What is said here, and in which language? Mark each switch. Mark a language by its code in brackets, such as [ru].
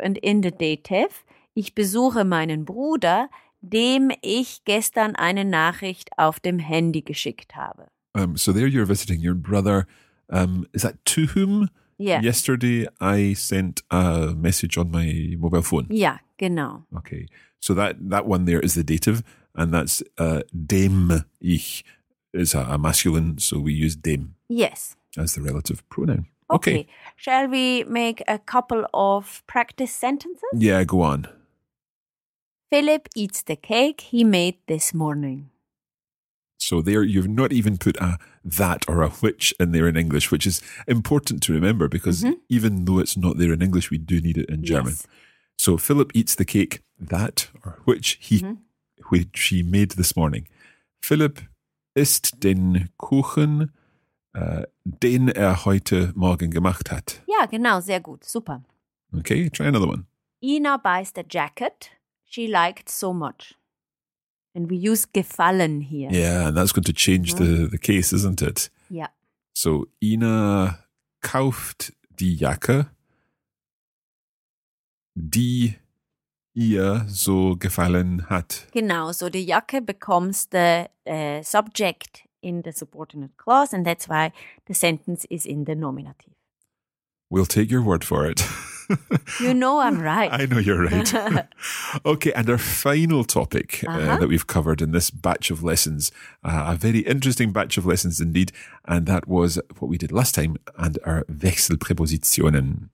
[en] And in the dative, [de] ich besuche meinen Bruder, dem ich gestern eine Nachricht auf dem Handy geschickt habe. [en] So there you're visiting your brother. Is that to whom? Yeah. Yesterday I sent a message on my mobile phone. Yeah, genau. Okay. So that one there is the dative. And that's dem ich is a masculine, so we use dem. Yes. As the relative pronoun. Okay. Shall we make a couple of practice sentences? Yeah, go on. Philip eats the cake he made this morning. So there, you've not even put a that or a which in there in English, which is important to remember because even though it's not there in English, we do need it in German. Yes. So Philip eats the cake that or which he which he made this morning. [de] Philip isst den Kuchen, den heute Morgen gemacht hat. Ja, genau, sehr gut, super. [en] Okay, try another one. Ina buys the jacket she liked so much. And we use gefallen here. Yeah, and that's going to change the case, isn't it? Yeah. [de] So Ina kauft die Jacke, die ihr so gefallen hat. [en] Genau, so die Jacke becomes the subject in the subordinate clause, and that's why the sentence is in the nominative. We'll take your word for it. You know I'm right. I know you're right. Okay, and our final topic that we've covered in this batch of lessons, a very interesting batch of lessons indeed, and that was what we did last time and our Wechselpräpositionen.